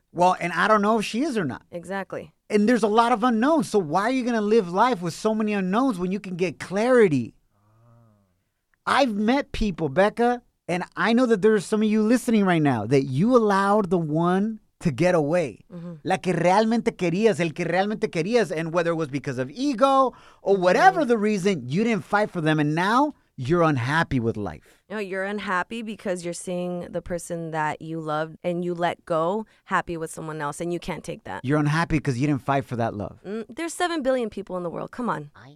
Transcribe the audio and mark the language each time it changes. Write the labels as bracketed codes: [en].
[en] Well, and I don't know if she is or not. Exactly. And there's a lot of unknowns. So why are you going to live life with so many unknowns when you can get clarity? I've met people, Becca, and I know that there are some of you listening right now that you allowed the one to get away. Mm-hmm. [es] La que realmente querías, el que realmente querías. [en] And whether it was because of ego or whatever mm-hmm. the reason, you didn't fight for them. And now you're unhappy with life. You know, you're unhappy because you're seeing the person that you loved and you let go happy with someone else. And you can't take that. You're unhappy because you didn't fight for that love. There's 7 billion people in the world. Come on.